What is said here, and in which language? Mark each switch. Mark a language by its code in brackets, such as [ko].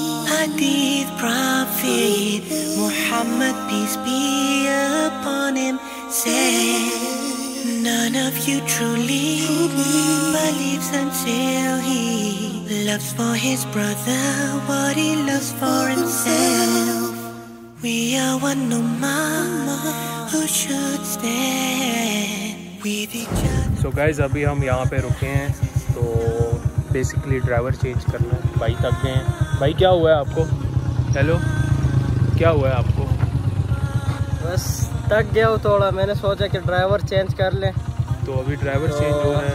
[en] हदीथ prophet Muhammad peace be upon him said none of you truly believes until he loves for his brother what he loves for himself. We are one ummah who should stand with each other. So guys, [hi] अभी हम यहाँ पे रुके हैं, तो basically driver change करना है, भाई तक गए हैं। भाई क्या हुआ है आपको? हेलो क्या हुआ है आपको? बस तक गया हूँ थोड़ा, मैंने सोचा कि ड्राइवर चेंज कर लें, तो अभी ड्राइवर चेंज हो रहा है।